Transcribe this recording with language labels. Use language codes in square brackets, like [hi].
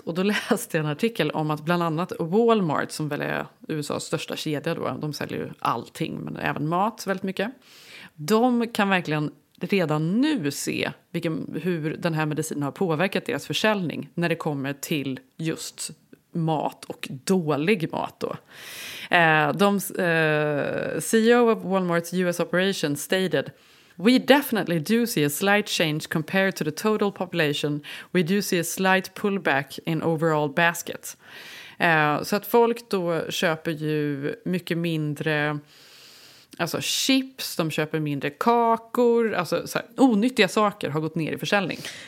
[sv] Och då läste jag en artikel om att bland annat Walmart, som väl är USAs största kedja då, de säljer ju allting, men även mat väldigt mycket. De kan verkligen redan nu se hur den här medicinen har påverkat deras försäljning när det kommer till just mat och dålig mat då. [en] CEO of Walmart's US operation stated, "We definitely do see a slight change compared to the total population. We do see a slight pullback in overall basket." [sv] Så att folk då köper ju mycket mindre, alltså chips, de köper mindre kakor, alltså så här, onyttiga saker har gått ner i försäljning.